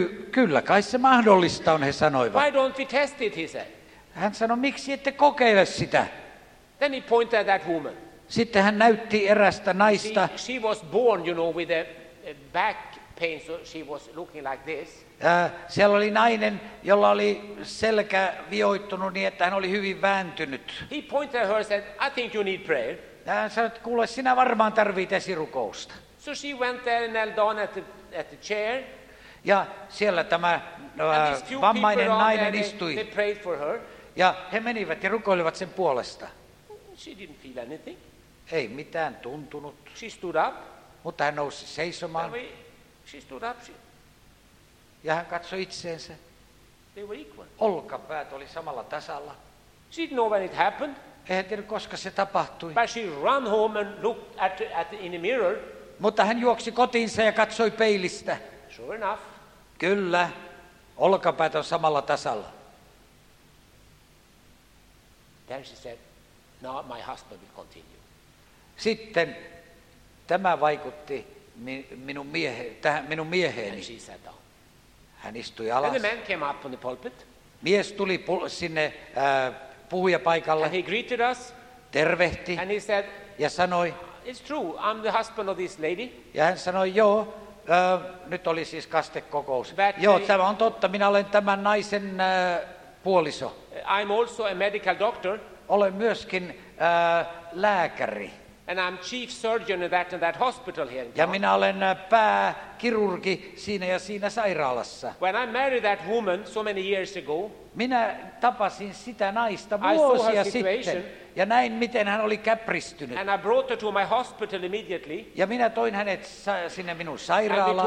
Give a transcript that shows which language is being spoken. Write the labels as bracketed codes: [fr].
[fi] Kyllä, kai se mahdollista on, he sanoivat. [en] Why don't we test it, he said. [fi] Hän sanoi, miksi ette kokeile sitä? [en] Then he pointed at that woman. [fi] Sitten hän näytti erästä naista. [en] She was born, you know, with a back pain, so she was looking like this. [fi] Siellä oli nainen, jolla oli selkä vioittunut niin, että hän oli hyvin vääntynyt. [en] He pointed at her and said, I think you need prayer. [fi] Hän sanoi, että kuule, sinä varmaan tarvitset esirukousta. [en] So she went there and knelt down at the chair. [fi] Ja siellä tämä vammainen nainen istui. [en] They prayed for her. [fi] Ja he menivät ja rukoilivat sen puolesta. [en] She didn't feel anything. [fi] Ei mitään tuntunut. [en] She stood up. [fi] Mutta hän nousi seisomaan. [en] She stood up. [fi] Ja hän katsoi itseensä. [en] They were equal. [fi] Olkapäät oli samalla tasalla. [en] She didn't know when it happened. [fi] Ei hän tiedä, koska se tapahtui. [en] But she ran home and looked at in the mirror. [fi] Mutta hän juoksi kotiinsa ja katsoi peilistä. [en] Sure enough. [fi] Kyllä, olkapäät on samalla tasalla. [en] Then she said, now my husband will continue. [fi] Sitten tämä vaikutti minun mieheeni. [en] And she sat down. [fi] Hän istui alas. [en] And the man came up on the pulpit. [fi] Mies tuli sinne puhujapaikalle. [en] And he greeted us. [fi] Tervehti. [en] And he said, [fi] ja sanoi, [en] it's true, I'm the husband of this lady. [fi] Ja hän sanoi, joo, nyt oli siis kastekokous. Joo, tämä on totta, minä olen tämän naisen puoliso. [en] I'm also a medical doctor. [fi] Olen myöskin lääkäri. [en] And I'm chief surgeon in that hospital here. [fi] Ja minä olen pääkirurgi siinä ja siinä sairaalassa. [en] When I married that woman so many years ago, [fi] minä tapasin sitä naista vuosia sitten. Ja näin miten hän oli käpristynyt. [en] And I brought her to my hospital immediately. [fi] Ja minä toin hänet sinne minun sairaalaan.